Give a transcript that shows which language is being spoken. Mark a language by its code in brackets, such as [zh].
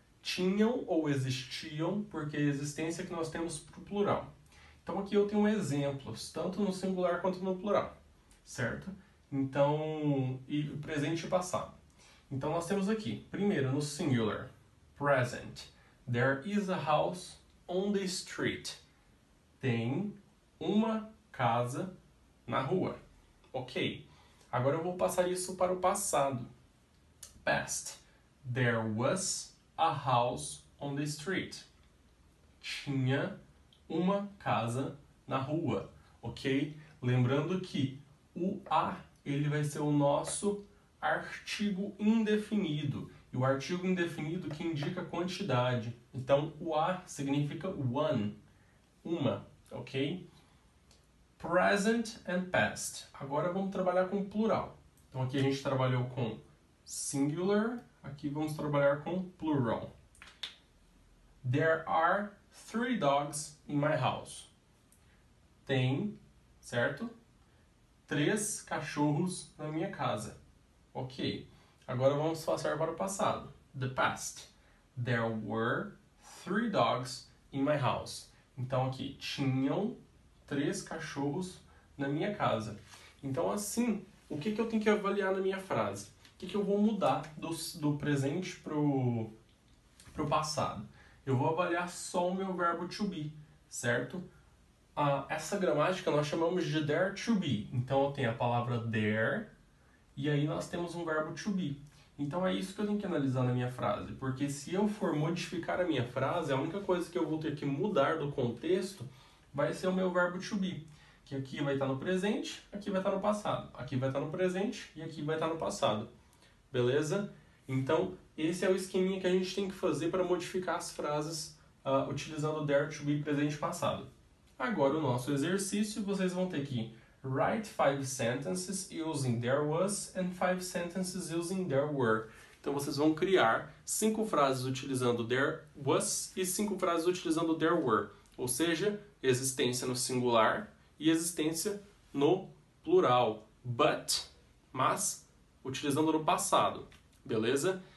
[pt] Tinham ou existiam, porque é a existência que nós temos para o plural. Então aqui eu tenho exemplos, tanto no singular quanto no plural, certo? Então, e presente e passado. Então nós temos aqui, primeiro, no singular, present. [en] There is a house on the street. [pt] Tem uma casa na rua. Ok. Agora eu vou passar isso para o passado. [en] Past. There was a house on the street. [pt] Tinha uma casa na rua, ok? Lembrando que o a ele vai ser o nosso artigo indefinido. E o artigo indefinido que indica quantidade. Então, o a significa one, uma, ok? [en] Present and past. [pt] Agora vamos trabalhar com plural. Então, aqui a gente trabalhou com singular, aqui vamos trabalhar com plural. [en] There are three dogs in my house. [pt] Tem, certo? Três cachorros na minha casa. Ok. Agora vamos passar para o passado. [en] The past. There were three dogs in my house. [pt] Então aqui, tinham três cachorros na minha casa. Então, assim, o que que eu tenho que avaliar na minha frase? O que que eu vou mudar do presente pro passado? Eu vou avaliar só o meu verbo to be, certo? Essa gramática nós chamamos de there to be. Então, eu tenho a palavra there e aí nós temos um verbo to be. Então, é isso que eu tenho que analisar na minha frase. Porque se eu for modificar a minha frase, a única coisa que eu vou ter que mudar do contexto vai ser o meu verbo to be. Que aqui vai estar no presente, aqui vai estar no passado. Aqui vai estar no presente e aqui vai estar no passado. Beleza? Então, esse é o esqueminha que a gente tem que fazer para modificar as frases, utilizando o there to be presente e passado. Agora, o nosso exercício, vocês vão ter que [en] write five sentences using there was and five sentences using there were. [pt] Então, vocês vão criar cinco frases utilizando there was e cinco frases utilizando there were. Ou seja, existência no singular e existência no plural, but, mas utilizando no passado, beleza?